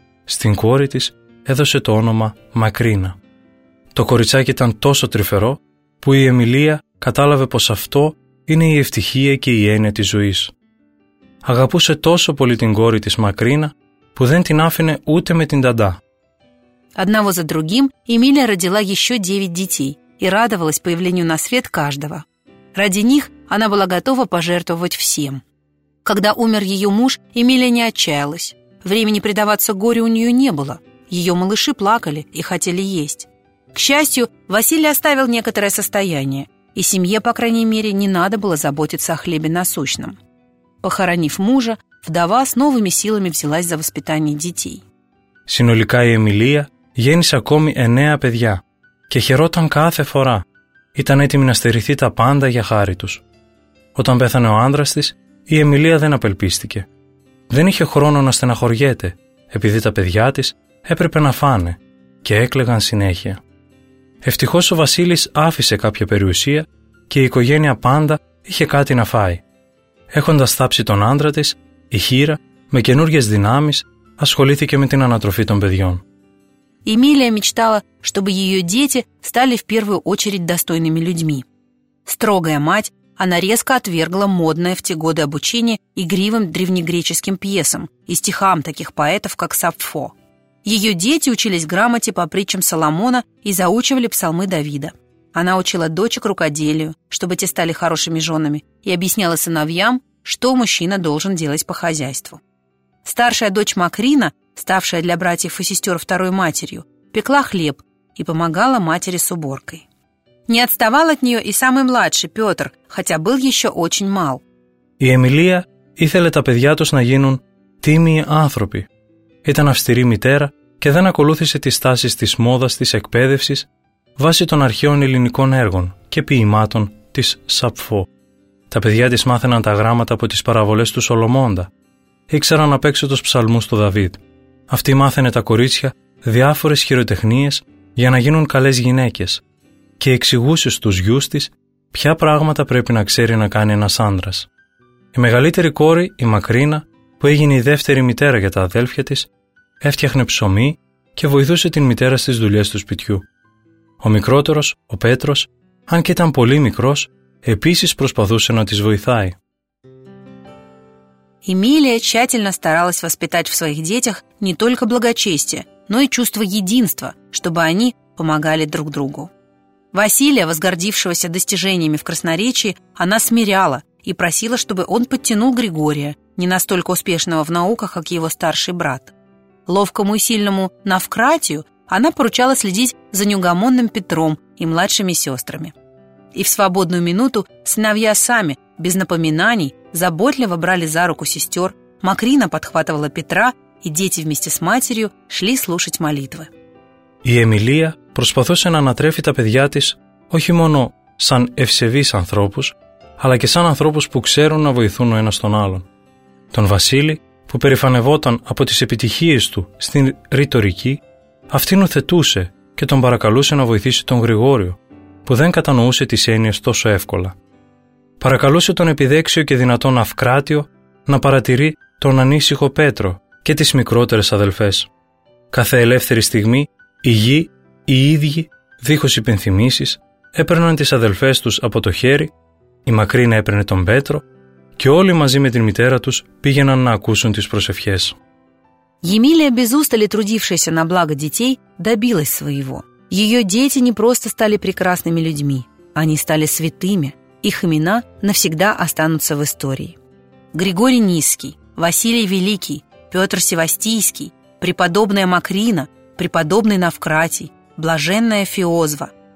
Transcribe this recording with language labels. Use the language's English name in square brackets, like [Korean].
[Greek] Στην κόρη της έδωσε το όνομα Μακρίνα. Το κοριτσάκι ήταν τόσο τρυφερό που η Εμιλία κατάλαβε πως αυτό είναι η ευτυχία και η έννοια της ζωής. Αγαπούσε τόσο πολύ την κόρη της Μακρίνα που δεν την άφηνε ούτε με την ταντά. [Russian] Одного за другим Эмилия родила еще 9 детей и радовалась появлению на свет каждого. Ради них она была готова пожертвовать всем. Когда умер ее муж, Эмилия не отчаялась. Времени предаваться горю у нее не было. Ее малыши плакали и хотели есть. К счастью, Василий оставил некоторое состояние, и семье, по крайней мере, не надо было заботиться о хлебе насущном. Похоронив мужа, вдова с новыми силами взялась за воспитание детей. [Greek] Συνολικά η Εμιλία γέννησε ακόμη 9 παιδιά και χαιρόταν κάθε φορά. Ήταν έτοιμη να στερηθεί τα πάντα για χάρη τους. Όταν πέθανε ο άντρας της, η Εμιλία δεν απελπίστηκε. Δεν είχε χρόνο να στεναχωριέται, επειδή τα παιδιά της έπρεπε να φάνε και έκλαιγαν συνέχεια. Ευτυχώς ο Βασίλης άφησε κάποια περιουσία και η οικογένεια πάντα είχε κάτι να φάει. Έχοντας θάψει τον άντρα της, η Χίρα, με καινούργιες δυνάμεις, ασχολήθηκε με την ανατροφή των παιδιών. Η Εμιλία [Russian] мечтала, чтобы ее дети стали в первую очередь достойными людьми. Строгая мать, она резко отвергла модное в те годы обучение игривым древнегреческим пьесам и стихам таких поэтов, как Сапфо. Ее дети учились грамоте по притчам Соломона и заучивали псалмы Давида. Она учила дочек рукоделию, чтобы те стали хорошими женами, и объясняла сыновьям, что мужчина должен делать по хозяйству. Старшая дочь Макрина, ставшая для братьев и сестер второй матерью, пекла хлеб и помогала матери с уборкой. Не отставал от нее и самый младший Петр, хотя был еще очень мал. [Greek] Η Эмιλία ήθελε τα παιδιά τους να γίνουν τίμιοι άνθρωποι. Ήταν αυστηρή μητέρα και δεν ακολούθησε τις τάσεις της μόδας της εκπαίδευσης βάσει των αρχαίων ελληνικών έργων και ποιημάτων της Σαπφό. Τα παιδιά της μάθαιναν τα γράμματα από τις παραβολές του Σολομώντα. Ήξεραν να παίξουν τους ψαλμούς του Δαβίδ. Αυτή μάθαινε τα κορίτσια διάφορες χειροτεχνίες για να γίνουν καλές γυναίκες και εξηγούσε στους γιους της ποια πράγματα πρέπει να ξέρει να κάνει ένας άντρας. Η μεγαλύτερη κόρη, η Μακρίνα, που έγινε η δεύτερη μητέρα για τα αδέλφια της, έφτιαχνε ψωμί και βοηθούσε την μητέρα στις δουλειές του σπιτιού. Ο μικρότερος, ο Πέτρος, αν και ήταν πολύ μικρός, επίσης προσπαθούσε να τις βοηθάει. Η [Russian] Эмилия тщательно старалась воспитать в своих детях не только благочестие, но и чувство единства, чтобы они помогали друг другу. Василия, возгордившегося достижениями в красноречии, она смиряла и просила, чтобы он подтянул Григория, не настолько успешного в науках, как его старший брат. Ловкому и сильному Навкратию она поручала следить за неугомонным Петром и младшими сестрами. И в свободную минуту сыновья сами, без напоминаний, заботливо брали за руку сестер, Макрина подхватывала Петра, и дети вместе с матерью шли слушать молитвы. И Эмилия [Greek] προσπαθούσε να ανατρέφει τα παιδιά της όχι μόνο σαν ευσεβείς ανθρώπους, αλλά και σαν ανθρώπους που ξέρουν να βοηθούν ο ένας τον άλλον. Τον Βασίλη, που περηφανευόταν από τις επιτυχίες του στην ρητορική, αυτήν ουθετούσε και τον παρακαλούσε να βοηθήσει τον Γρηγόριο, που δεν κατανοούσε τις έννοιες τόσο εύκολα. Παρακαλούσε τον επιδέξιο και δυνατό Ναυκράτιο να παρατηρεί τον ανήσυχο Πέτρο και τις μικρότερες αδελφές. Κάθε ελεύθερη στιγμή, η γη, οι ίδιοι, δίχως υπενθυμίσεις, έπαιρναν τις αδελφές τους από το χέρι, η Μακρίνα έπαιρνε τον Πέτρο και όλοι μαζί με την μητέρα τους πήγαιναν να ακούσουν τις προσευχές. Η [Russian] Эмилия, без устали трудившаяся на благо детей, добилась своего. Ее дети не просто стали прекрасными людьми, они стали святыми, их имена навсегда останутся в истории. Григорий Ниский, Василий Великий, Петр Севастийский, преподобная Макрина, преподобный Навкратий, блаженная Феозва.